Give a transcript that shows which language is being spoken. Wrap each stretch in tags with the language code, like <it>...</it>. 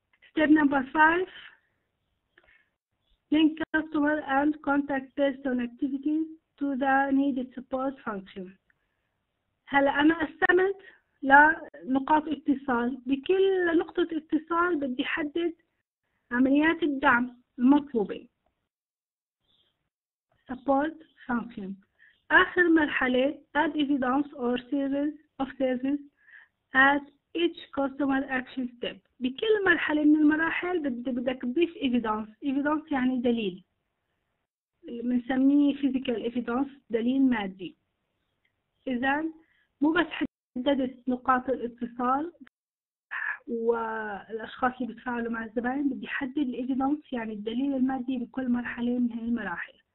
<en>Step number 5 Link customer and contact based on activities to the needed support function.</en> <ar>هلأ أنا قسمت لنقاط اتصال، بكل نقطة اتصال بدي حدد عمليات الدعم المطلوبة</ar> <en>support function.</en> <ar>آخر مرحلة</ar> <en>add evidence or series of services at each customer action step.</en> <ar>بكل مرحلة من المراحل بدك تضيف evidence. evidence يعني دليل، بنسميه physical evidence، دليل مادي. إذا مو بس حددت نقاط الاتصال والأشخاص اللي بتفاعلوا مع الزبائن، بدي حدد الإيفيدنس يعني الدليل المادي بكل مرحلة من هذه المراحل.</ar>